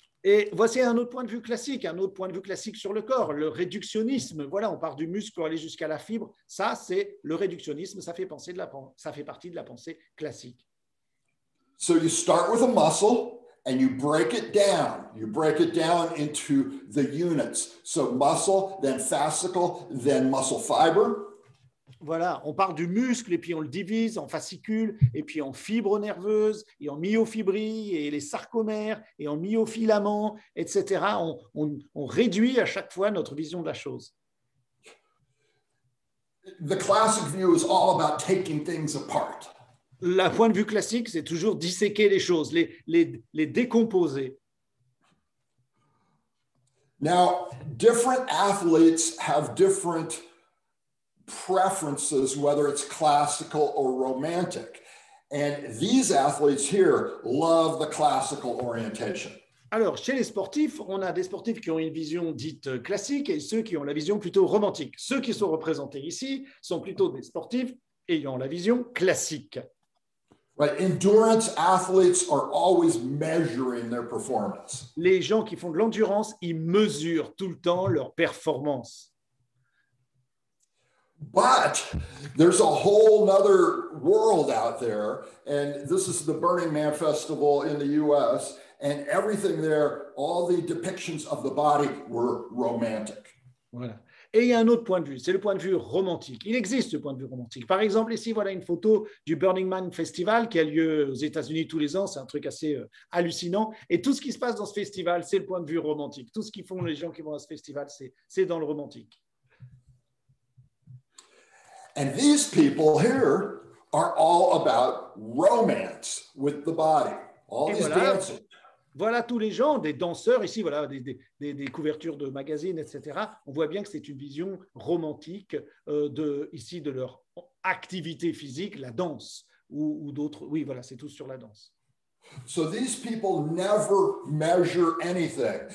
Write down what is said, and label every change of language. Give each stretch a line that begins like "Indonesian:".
French: Et voici un autre point de vue classique, un autre point de vue classique sur le corps, le réductionnisme. Voilà, on part du muscle pour aller jusqu'à la fibre. Ça, c'est le réductionnisme, ça fait partie de la pensée classique.
English: So you start with a muscle and you break it down. You break it down into the units. So muscle, then fascicle, then muscle fiber.
French: Voilà, on part du muscle et puis on le divise en fascicules et puis en fibres nerveuses et en myofibrilles et les sarcomères et en myofilaments, etc. On réduit à chaque fois notre vision de la chose.
English: The classic view is all about taking things apart.
French: La point de vue classique, c'est toujours disséquer les choses, les décomposer.
English: Now, different athletes have different preferences, whether it's classical or romantic. And these athletes here love the classical orientation.
French: Alors, chez les sportifs, on a des sportifs qui ont une vision dite classique et ceux qui ont la vision plutôt romantique. Ceux qui sont représentés ici sont plutôt des sportifs ayant la vision classique.
English: But endurance athletes are always measuring their performance.
French: Les gens qui font de l'endurance, ils mesurent tout le temps leur performance.
English: But there's a whole other world out there, and this is the Burning Man Festival in the U.S., and everything there, all the depictions of the body were romantic.
French: Voilà. Et il y a un autre point de vue, c'est le point de vue romantique. Il existe ce point de vue romantique. Par exemple, ici, voilà une photo du Burning Man Festival qui a lieu aux États-Unis tous les ans. C'est un truc assez hallucinant. Et tout ce qui se passe dans ce festival, c'est le point de vue romantique. Tout ce qu'ils font, les gens qui vont à ce festival, c'est dans le romantique.
English: And these people here are all about romance with the body. All these dancers.
French: Voilà tous les gens, des danseurs ici, voilà des couvertures de magazines, etc. On voit bien que c'est une vision romantique de leur activité physique, la danse ou d'autres. Oui, voilà, c'est tout sur la danse.
English: So these people never measure anything.